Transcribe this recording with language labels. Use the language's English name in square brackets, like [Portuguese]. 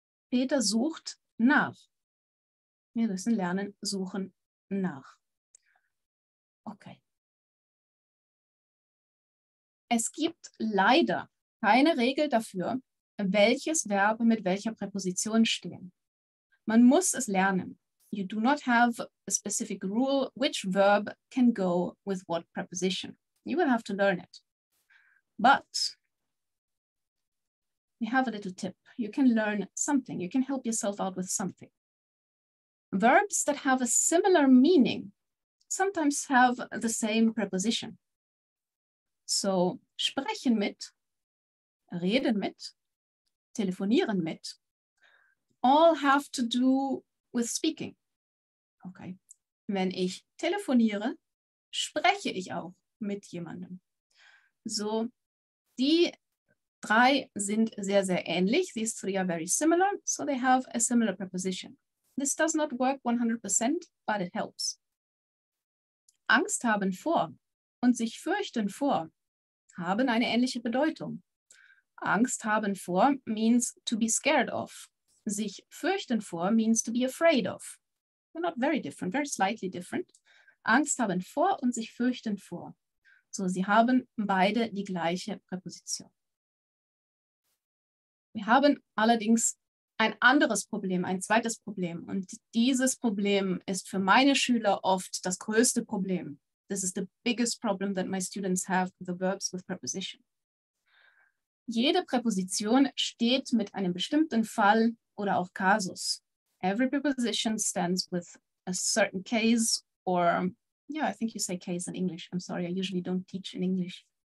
[German] Peter sucht nach. Wir müssen lernen, suchen nach. Okay. Es gibt leider keine Regel dafür, welches Verb mit welcher Präposition stehen. Man muss es lernen. [English] You do not have a specific rule which verb can go with what preposition. You will have to learn it. But we have a little tip. You can learn something. You can help yourself out with something. Verbs that have a similar meaning sometimes have the same preposition. So, sprechen mit, reden mit, telefonieren mit, all have to do with speaking. Okay. [German] Wenn ich telefoniere, spreche ich auch mit jemandem. So, die drei sind sehr, sehr ähnlich. [English] These three are very similar, so they have a similar preposition. This does not work 100%, but it helps. [German] Angst haben vor und sich fürchten vor haben eine ähnliche Bedeutung. [English] Angst haben vor means to be scared of. Sich fürchten vor means to be afraid of. They're not very different, very slightly different. [German] Angst haben vor und sich fürchten vor. So, sie haben beide die gleiche Präposition. Wir haben allerdings ein anderes Problem, ein zweites Problem. Und dieses Problem ist für meine Schüler oft das größte Problem. [English] This is the biggest problem that my students have with the verbs with preposition. [German] Jede Präposition steht mit einem bestimmten Fall oder auch Kasus. [English] Every preposition stands with a certain case or, yeah, I think you say case in English. I'm sorry, I usually don't teach in English.